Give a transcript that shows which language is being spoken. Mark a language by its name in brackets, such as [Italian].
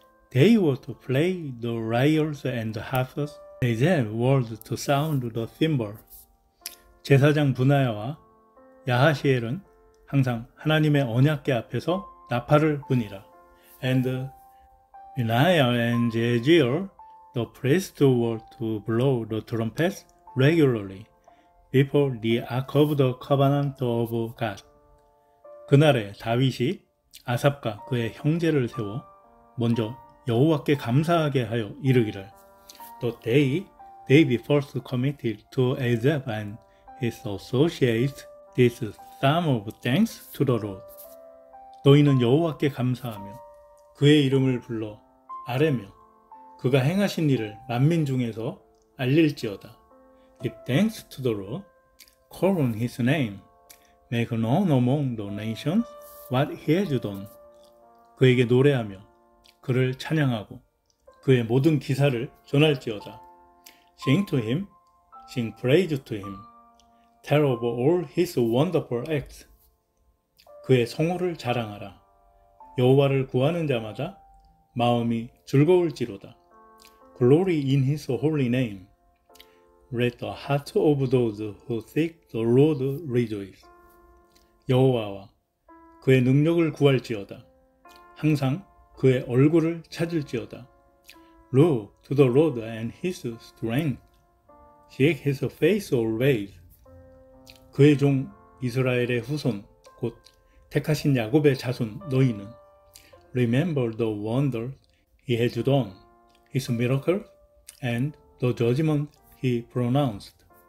[English] They were to play the lyres and the harps. Asaph was to sound the cymbal. [Korean] 제사장 분하야와 야하시엘은 항상 하나님의 언약궤 앞에서 나팔을 부니라. [English] And Benaiah and Jehiel, the priests were to blow the trumpets regularly before the ark of the covenant of God. [Korean] 그날에 다윗이 아삽과 그의 형제를 세워 먼저 여호와께 감사하게 하여 이르기를 [English] The day David first committed to Asaph and his associates this psalm of thanks to the Lord. [Korean] 너희는 여호와께 감사하며 그의 이름을 불러 아뢰며 그가 행하신 일을 만민 중에서 알릴지어다. [English] Give thanks to the Lord, call on his name, make known among the nations what he has done. [Korean] 그에게 노래하며 그를 찬양하고 그의 모든 기사를 전할지어다. [English] Sing to him, sing praise to him, tell of all his wonderful acts. [Korean] 그의 성호를 자랑하라. 여호와를 구하는 자마다 마음이 즐거울지로다. [English] Glory in his holy name. Let the heart of those who seek the Lord rejoice. [Korean] 여호와와 그의 능력을 구할지어다. 항상 그의 얼굴을 찾을지어다. [English] Look to the Lord and his strength. Seek his face always. [Korean] 그의 종 이스라엘의 후손, 곧 택하신 야곱의 자손 너희는 [English] Remember the wonders he has done, his miracles, and the judgment he pronounced.